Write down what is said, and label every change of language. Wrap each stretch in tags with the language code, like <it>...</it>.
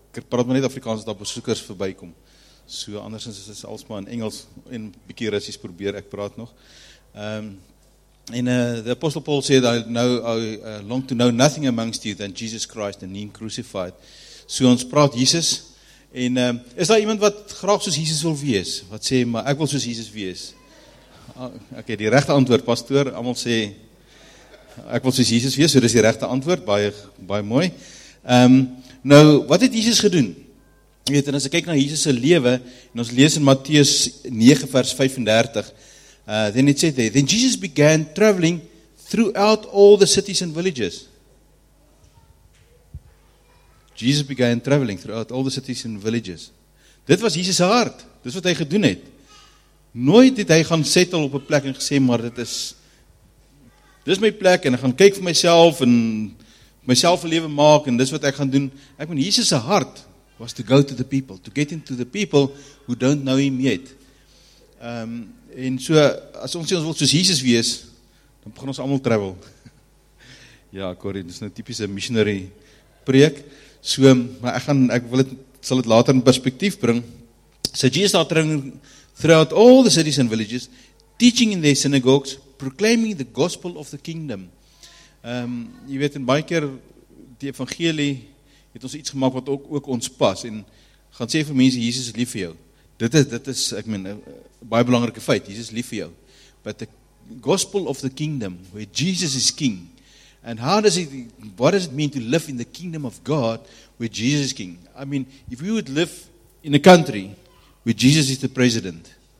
<af>Ek praat maar net Afrikaans as daar besoekers verbykom. So andersins is dit alsmaar in Engels en 'n bietjie Russies probeer ek praat nog.</af> <en>The Apostle Paul said, I long to know nothing amongst you than Jesus Christ and him crucified.</en> <af>So ons praat Jesus. En is daar iemand wat graag soos Jesus wil wees? Wat sê, maar ek wil soos Jesus wees. Ok, die regte antwoord, pastoor, allemaal sê, ek wil soos Jesus wees, so dis die regte antwoord, baie mooi. Nou, wat het Jesus gedoen? Je weet, en as ek kyk na Jesus' lewe, en ons lees in Matteus 9 vers 35,</af> <en>then it said there, then Jesus began traveling throughout all the cities and villages. Jesus began traveling throughout all the cities and villages.</en> <af>Dit was Jesus' hart, dit is wat hy gedoen het. Nooit het hy gaan settle op 'n plek en gesê, maar dit is my plek en ek gaan kyk vir myself en myself 'n lewe maak en dis wat ek gaan doen. Ek meen, Jesus se hart was</af> <en>to go to the people, to get into the people who don't know him yet.</en> <af>En so, as ons sê ons wil soos Jesus wees, dan begin ons allemaal travel. Ja, Corrie, dit is nou typiese missionary preek. So, maar ek sal dit later in perspektief bring.</af> <en>So Jesus daar drink throughout all the cities and villages, teaching in their synagogues, proclaiming the gospel of the kingdom.</en> <af>Jy weet, in baie keer, die evangelie het ons iets gemaakt wat ook ons pas, en gaan sê vir mense, Jesus is lief vir jou. Dit is, ek meen, een baie belangrike feit, Jesus is lief vir jou.</af> <en>But the gospel of the kingdom, where Jesus is king, and what does it mean to live in the kingdom of God, where Jesus is king? I mean, if we would live in a country where Jesus is the president.</en>